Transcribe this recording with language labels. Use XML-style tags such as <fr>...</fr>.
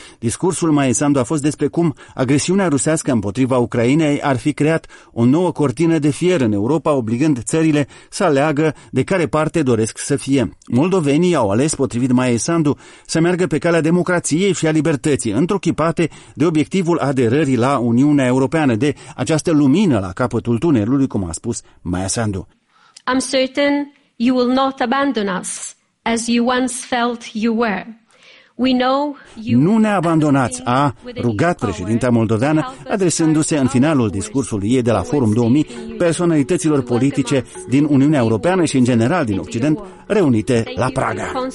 <ro>Discursul Maia Sandu a fost despre cum agresiunea rusească împotriva Ucrainei ar fi creat o nouă cortină de fier în Europa, obligând țările să aleagă de care parte doresc să fie. Moldovenii au ales, potrivit Maia Sandu, să meargă pe calea democrației și a libertății, întruchipate de obiectivul aderării la Uniunea Europeană, de această lumină la capătul tunelului, cum a spus Maia Sandu.</ro> <en>I'm certain you will not abandon us as you once felt you were.</en> <ro>Nu ne abandonați, a rugat președinta moldoveană, adresându-se în finalul discursului ei de la Forum 2000 personalităților politice din Uniunea Europeană și în general din Occident, reunite la Praga.</ro>